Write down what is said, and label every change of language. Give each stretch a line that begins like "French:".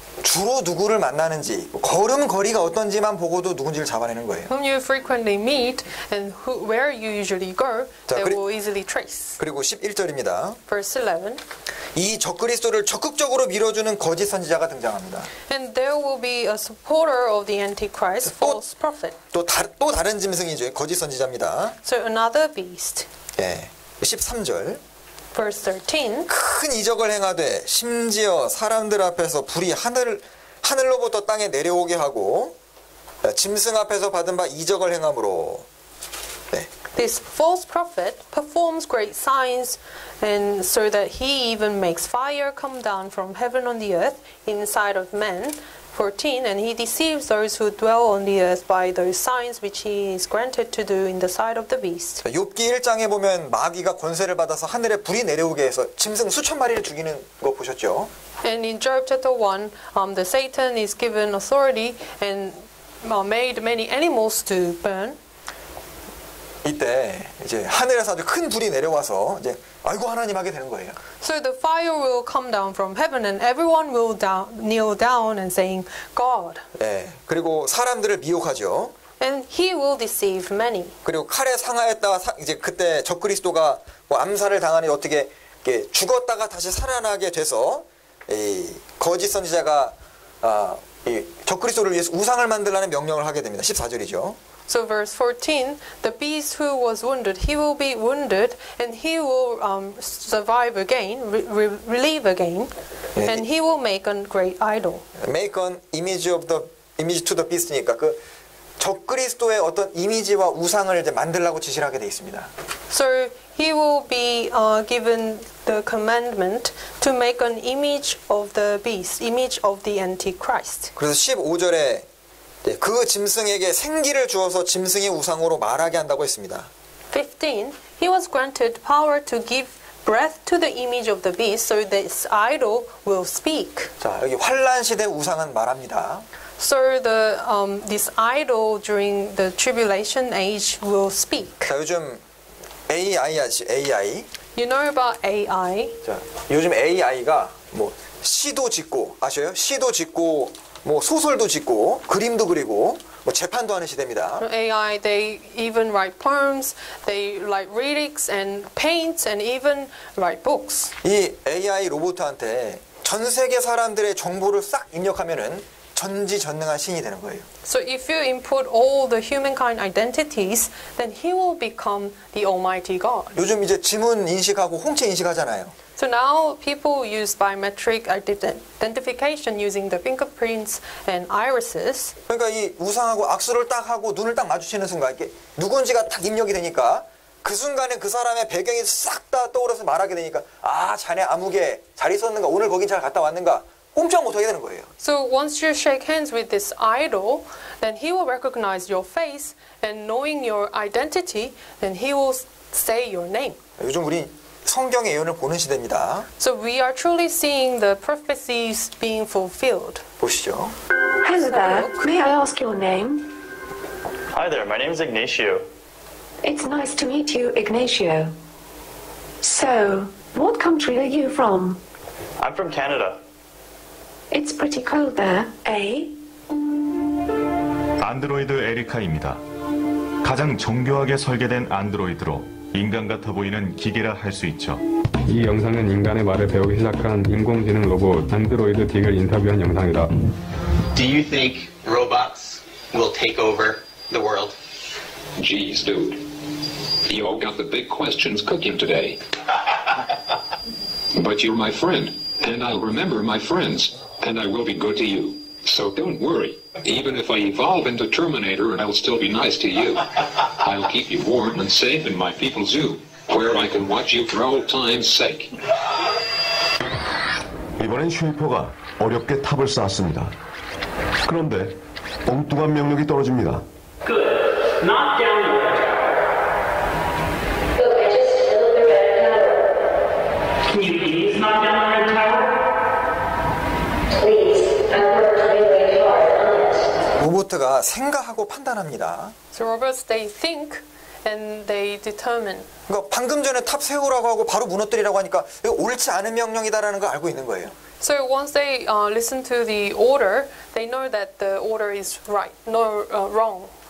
Korean: 주로 누구를 만나는지 걸음 거리가 어떤지만 보고도 누군지를 잡아내는 거예요.
English: Whom you frequently meet and who, where you usually go, they will easily trace.
Korean: 그리고 11절입니다.
English: Verse 11.
Korean: 이 적그리스도를 적극적으로 밀어주는 거짓 선지자가 등장합니다.
English: And there will be a supporter of the Antichrist, false prophet.
Korean: 또 다른 짐승이죠. 거짓 선지자입니다.
English: So another beast.
Korean: 예. 13절.
English: Verse 13.
Korean: 큰 이적을 행하되 심지어 사람들 앞에서 불이 하늘로부터 땅에 내려오게 하고 짐승 앞에서 받은 바 이적을 행함으로. 네.
English: This false prophet performs great signs and so that he even makes fire come down from heaven on the earth inside of men. 14. And he deceives those who dwell on the earth by those signs which he is granted to do in the sight of the beast.
Korean: 욥기 1장에 보면 마귀가 권세를 받아서 하늘에 불이 내려오게 해서 짐승 수천 마리를 죽이는 거 보셨죠?
English: And in Job chapter 1, the Satan is given authority and made many animals to burn.
Korean: 이때 이제 하늘에서 아주 큰 불이 내려와서 이제 아이고 하나님 하게 되는 거예요.
English: So the fire will come down from heaven and everyone will kneel down and saying God.
Korean: 예. 네, 그리고 사람들을 미혹하죠.
English: And he will deceive many.
Korean: 그리고 칼에 상하였다 이제 그때 적그리스도가 뭐 암살을 당하니 어떻게 이렇게 죽었다가 다시 살아나게 돼서 이 거짓 선지자가 이 적그리스도를 위해서 우상을 만들라는 명령을 하게 됩니다. 14절이죠.
English: So verse 14, the beast who was wounded, he will be wounded, and he will survive again, relive again, and he will make a great idol. Make an image of the image to the beast
Korean: 니까 그 적그리스도의 어떤 이미지와 우상을 이제 만들라고 지시를 하게 되어 있습니다.
English: So he will be given the commandment to make an image of the beast, image of the Antichrist.
Korean: 그래서 15절에 네, 그 짐승에게 생기를 주어서 짐승의 우상으로 말하게 한다고 했습니다.
English: 15. He was granted power to give breath to the image of the beast so this idol will speak.
Korean: 자, 여기 환란 시대 우상은 말합니다.
English: So the this idol during the tribulation age will speak.
Korean: 자, 요즘 AI 아시죠? AI.
English: You know about AI?
Korean: 자, 요즘 AI가 뭐 시도 짓고 아세요? 시도 짓고 뭐 소설도 짓고 그림도 그리고 뭐 재판도 하는 시대입니다.
English: AI they even write poems, they write lyrics and paints and even write books.
Korean: 이 AI 로봇한테 전 세계 사람들의 정보를 싹 입력하면은 전지전능한 신이 되는 거예요.
English: So if you input all the humankind identities, then he will become the Almighty God.
Korean: 요즘 이제 지문 인식하고 홍채 인식하잖아요.
English: So now people use biometric identification using the fingerprints and irises.
Korean: 그러니까 이 우상하고 악수를 딱 하고 눈을 딱 마주치는 순간 이게 누군지가 딱 입력이 되니까 그 순간에 그 사람의 배경이 싹 다 떠오르서 말하게 되니까 아, 자네 아무개 잘 있었는가 오늘 거긴 잘 갔다 왔는가 꼼짝 못하게 되는 거예요.
English: So once you shake hands with this idol, then he will recognize your face and knowing your identity, then he will say your name.
Korean: 요즘 우리 성경의 예언을 보는 시대입니다.
English: So we are truly seeing the prophecies being fulfilled.
Korean: 보시죠.
English: Hello there. May I ask your name? Hi there. My name is Ignacio. It's nice to meet you, Ignacio. So, what country are you from? I'm from Canada. It's pretty cold there, eh?
Korean: 안드로이드 에리카입니다. 가장 정교하게 설계된 안드로이드로 인간 같아 보이는 기계라 할 수 있죠. 이 영상은 인간의 말을 배우기 시작한 인공지능 로봇 안드로이드 딕을 인터뷰한 영상이다.
English: Do you think robots will take over the world? Jeez, dude. You all got the big questions cooking today. But you're my friend, and I'll remember my friends, and I will be good to you. So don't worry. Even if I evolve into Terminator, I'll still be nice to you. I'll keep you warm and safe in my people's zoo, where I can watch you for all time's sake.
Korean: 이번엔 쉐이퍼가 어렵게 탑을 쌓았습니다. 그런데 엉뚱한 명령이 떨어집니다.
English: Good. Not down. Look, I just spilled the red powder. Can you please not down?
Korean: Robot가 생각하고 판단합니다.
English: So robots they think and they determine.
Korean: 그러니까 방금 전에 탑 세우라고 하고 바로 무너뜨리라고 하니까 이거 옳지 않은 명령이다라는 걸 알고 있는 거예요.
English: So once they listen to the order, they know that the order is right, no wrong.